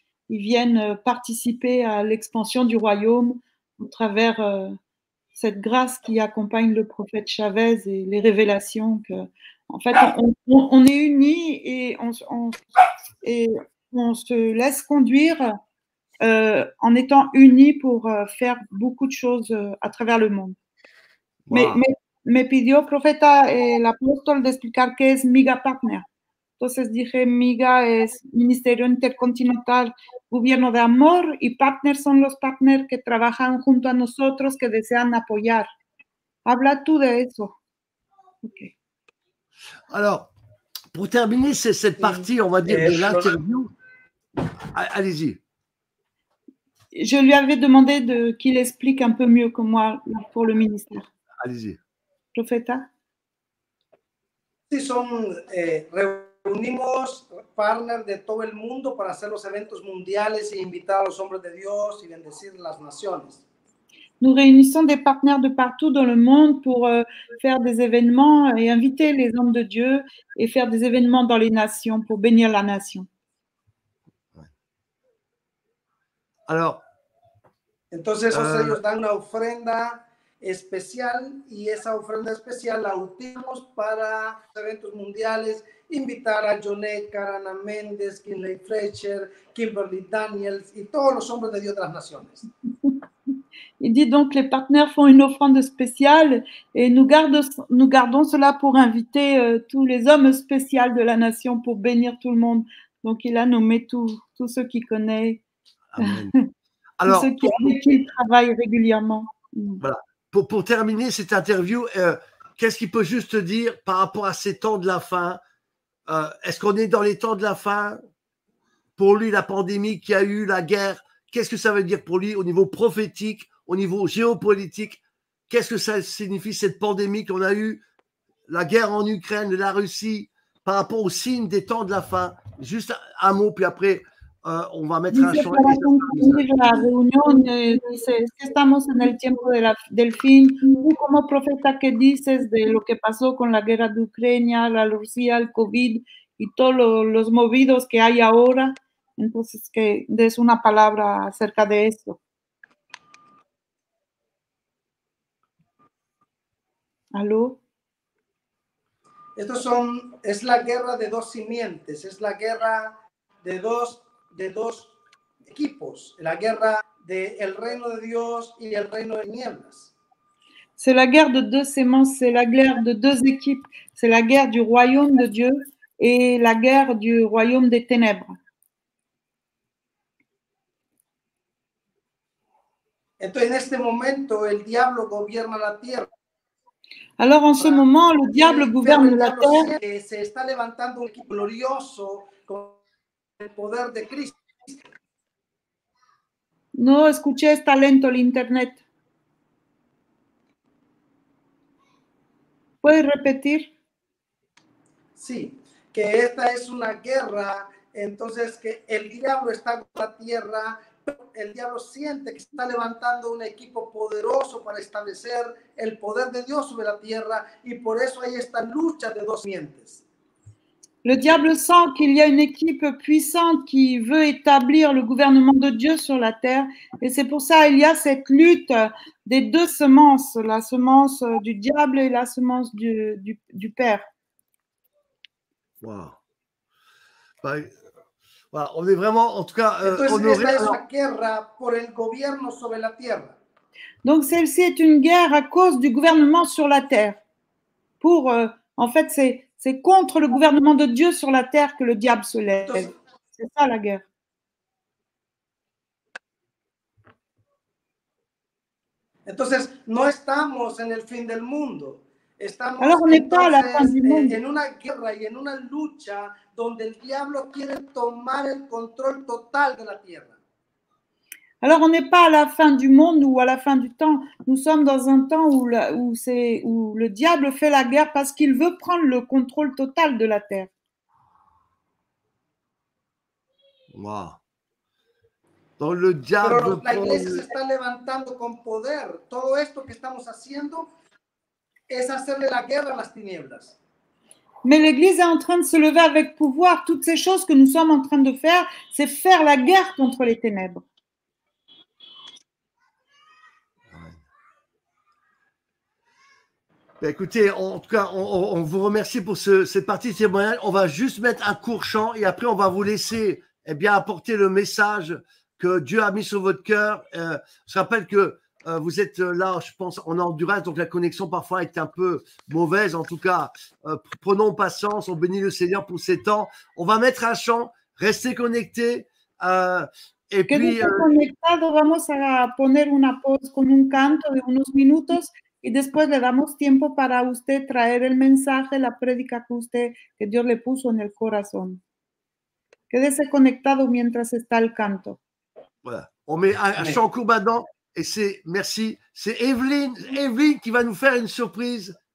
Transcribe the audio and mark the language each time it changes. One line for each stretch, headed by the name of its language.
French: Ils viennent participer à l'expansion du royaume au travers cette grâce qui accompagne le prophète Chavez et les révélations. Que, en fait, on est unis et on se laisse conduire en étant unis pour faire beaucoup de choses à travers le monde. Wow.
Spanish: Me pidió profeta el apóstol de explicar qué es MIGA Partner. Entonces dije, MIGA es Ministerio Intercontinental, Gobierno de Amor, y Partner son los partners que trabajan junto a nosotros, que desean apoyar. Habla tú de eso. Ok.
French: Alors, pour terminer cette partie, on va dire, de l'interview, allez-y. Je lui avais demandé qu'il explique un peu mieux que moi pour le ministère. Allez-y.
Spanish: Profeta. Sí, reunimos partners de todo el mundo para hacer los eventos mundiales e invitar a los hombres de Dios y bendecir las naciones.
French: Nous réunissons des partenaires de partout dans le monde pour faire des événements et inviter les hommes de Dieu et faire des événements dans les nations pour bénir la nation. Alors,
Spanish: entonces ellos dan una ofrenda especial y esa ofrenda especial la utilizamos para eventos mundiales, invitar a Jonekar, Ana Méndez, Kinley Fletcher, Kimberly Daniels y todos los hombres de Dios de las naciones.
French: Il dit donc les partenaires font une offrande spéciale et nous gardons cela pour inviter tous les hommes spéciaux de la nation pour bénir tout le monde. Donc il a nommé tous ceux qui connaissent. Amen. Alors, qui travaille régulièrement. Voilà. Pour terminer cette interview, qu'est-ce qu'il peut juste dire par rapport à ces temps de la fin? Est-ce qu'on est dans les temps de la fin? pour lui la pandémie qu'il y a eu, la guerre, qu'est-ce que ça veut dire pour lui au niveau prophétique, au niveau géopolitique? Qu'est-ce que ça signifie cette pandémie qu'on a eue, la guerre en Ukraine, la Russie, par rapport aux signes des temps de la fin? Juste un mot, puis après, on va mettre un champ. La réunion,
Spanish: estamos en el tiempo de la, del fin. Tú como profeta, ¿qué dices de lo que pasó con la guerra de Ucrania, la Rusia, el COVID y todos los movidos que hay ahora? Entonces, que des una palabra acerca de esto. ¿Aló? Estos son, es la guerra de dos simientes, es la guerra de dos equipos, la guerra del reino de Dios y el reino de tinieblas.
French: C'est la guerre de deux semences, c'est la guerre de deux équipes, c'est la guerre du royaume de Dieu et la guerre du royaume des ténèbres.
Spanish: Entonces, en este momento el diablo gobierna la tierra.
French: Alors en ce moment, le diable gouverne la terre.
Spanish: Se está levantando un equipo glorioso con el poder de Cristo. No escuché, está lento el internet. ¿Puedes repetir? Sí, que esta es una guerra, entonces que el diablo está en la tierra, pero el diablo siente que está levantando un equipo poderoso para establecer el poder de Dios sobre la tierra y por eso hay esta lucha de dos mientes.
French: Le diable sent qu'il y a une équipe puissante qui veut établir le gouvernement de Dieu sur la terre. Et c'est pour ça qu'il y a cette lutte des deux semences, la semence du diable et la semence du Père. Wow. On est vraiment, en tout cas, honoré. C'est la guerre pour le gouvernement sur la terre. Donc celle-ci est une guerre à cause du gouvernement sur la terre. Pour, en fait, c'est... C'est contre le gouvernement de Dieu sur la terre que le diable se lève. C'est ça la guerre.
Spanish: Entonces, no estamos en el fin del mundo. Estamos,
French: alors, on n'est pas à la fin du monde.
Spanish: En una guerra y en una lucha donde el diablo quiere tomar el control total de la tierra.
French: Alors, on n'est pas à la fin du monde ou à la fin du temps. Nous sommes dans un temps où le diable fait la guerre parce qu'il veut prendre le contrôle total de la terre. Wow. Donc, le diable...
Spanish: La iglesia se está levantando con poder. Todo esto que estamos haciendo es hacerle la guerra a las tinieblas.
French: Mais l'Église est en train de se lever avec pouvoir. Toutes ces choses que nous sommes en train de faire, c'est faire la guerre contre les ténèbres. Écoutez, en tout cas, on vous remercie pour cette partie de témoignage. On va juste mettre un court chant et après, on va vous laisser apporter le message que Dieu a mis sur votre cœur. Je rappelle que vous êtes là, je pense, en endurance, donc la connexion parfois est un peu mauvaise. En tout cas, prenons patience, on bénit le Seigneur pour ces temps. On va mettre un chant, restez connectés.
Spanish: Connectados, vamos a poner una pause con un canto de unos minutos. Y después le damos tiempo para usted traer el mensaje, la prédica que usted, que Dios le puso en el corazón. Quédese conectado mientras está el canto.
French: Voilà. On met un chant court maintenant. Et c'est, merci. C'est Evelyne qui va nous faire une surprise.